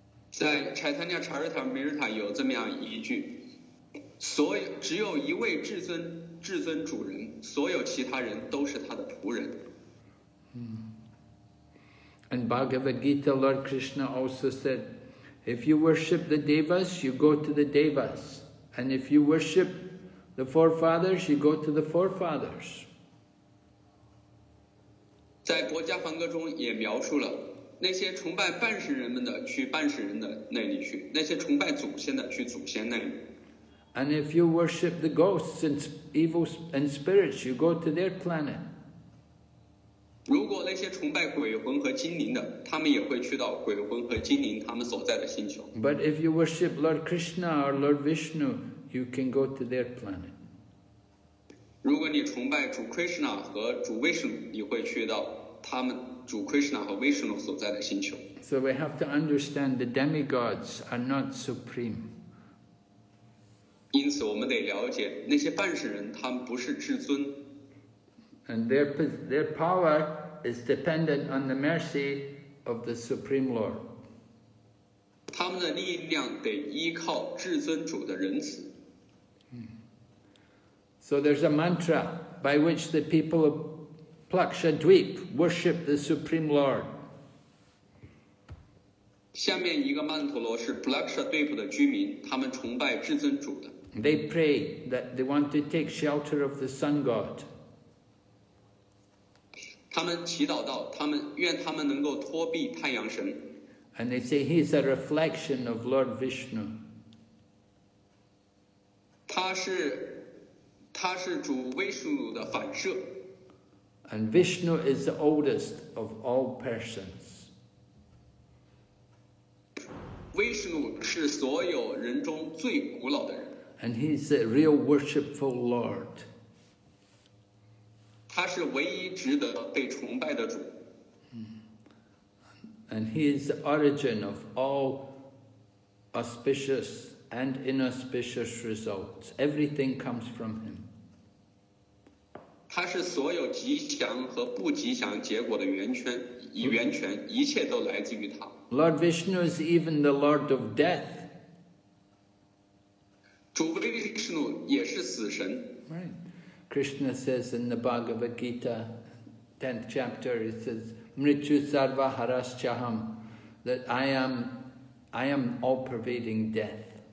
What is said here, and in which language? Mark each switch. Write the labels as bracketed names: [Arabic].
[Chinese] 在 Chaitanya Charitamrita 有这么样一句，所以只有一位至尊，至尊主人，所有其他人都是他的仆人。 [English] And Bhagavad Gita, Lord Krishna also said, if you worship the devas, you go to the devas. And if you worship the forefathers, you go to the forefathers. [Chinese] 在国家梵歌中也描述了，那些崇拜半世人们的去半世人的那里去，那些崇拜祖先的去祖先那里。 [English] And if you worship the ghosts and evil and spirits, you go to their planet. [Chinese] 如果那些崇拜鬼魂和精灵的，他们也会去到鬼魂和精灵他们所在的星球。 [English] But if you worship Lord Krishna or Lord Vishnu, you can go to their planet. [Chinese] 如果你崇拜主 Krishna 和主 Vishnu, 你会去到他们主 Krishna 和 Vishnu 所在的星球。 [English] So we have to understand the demigods are not supreme. [Chinese] 因此我们得了解那些半世人他们不是至尊。 [English] And their power is dependent on the mercy of the Supreme Lord. [Chinese] 他们的力量得依靠至尊主的仁慈。 [English] So there's a mantra by which the people of Plakshadweep worship the Supreme Lord. [Chinese] 下面一个曼陀罗是 Plakshadweep 的居民，他们崇拜至尊主的。 [English] They pray that they want to take shelter of the sun god. [Chinese] 他们祈祷到他们愿他们能够托庇太阳神。 [English] And they say he is a reflection of Lord Vishnu. [Chinese] 他是主威士努的反射。 [English] And Vishnu is the oldest of all persons. [Chinese] 威士努是所有人中最古老的人。 [English] And he is a real worshipful Lord. [Chinese] 他是唯一值得被崇拜的主。 [English] And he is the origin of all auspicious and inauspicious results. Everything comes from him. [Chinese] 他是所有吉祥和不吉祥结果的源泉，源泉，一切都来自于他。 [English] Lord Vishnu is even the Lord of death. [Chinese] 主威威士努也是死神。 [English] Right. Krishna says in the Bhagavad Gita, 10th chapter, he says, [Sanskrit] Mrityu Sarva Harascham, [English] that I am all-pervading death.